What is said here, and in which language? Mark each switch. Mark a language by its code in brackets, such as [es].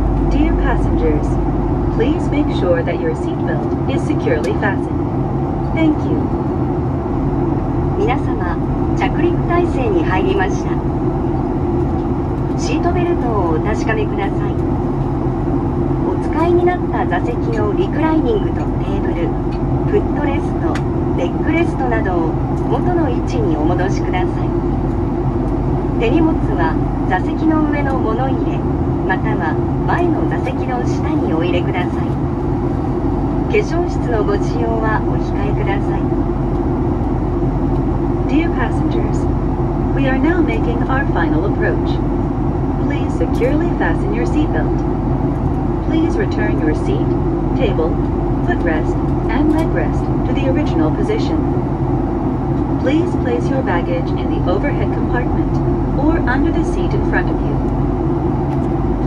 [en] Dear passengers, please make sure that your seatbelt is securely fastened. Thank you. [ja] 皆様、着陸態勢に入りました。シートベルトをお確かめください。お使いになった座席のリクライニングとテーブル、フットレスト、レッグレストなどを元の位置にお戻しください。手荷物は座席の上の物入れ、または前の座席の下にお入れください。化粧室のご使用はお控えください。 [en] Dear passengers, we are now making our final approach. Please securely fasten your seatbelt. Please return your seat, table, footrest, and legrest to the original position. Please place your baggage in the overhead compartment or under the seat in front of you.